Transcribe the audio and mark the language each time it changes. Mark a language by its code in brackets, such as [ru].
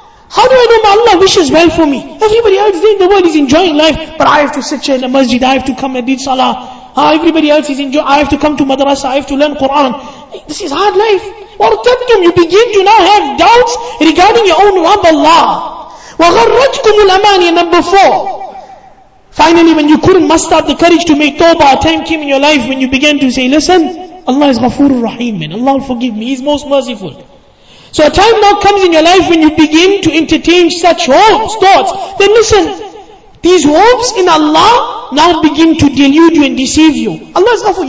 [en] How do I know my Allah wishes well for me? Everybody else in the world is enjoying life, but I have to sit here in the masjid, I have to come and read salah. Everybody else is enjoying, I have to come to madrasa, I have to learn Quran. This is hard life. [ar] وَارْتَبْتُمْ [en] You begin to now have doubts regarding your own Rabb Allah. [ar] وَغَرَّتْكُمُ الْأَمَانِيَ [en] Number 4. Finally, when you couldn't muster up the courage to make tawbah, a time came in your life when you began to say, listen, Allah is Ghafoor Rahim, man. Allah will forgive me. He's most merciful. So a time now comes in your life when you begin to entertain such hopes, thoughts. Then listen, these hopes in Allah now begin to delude you and deceive you. Allah is Ghafoor.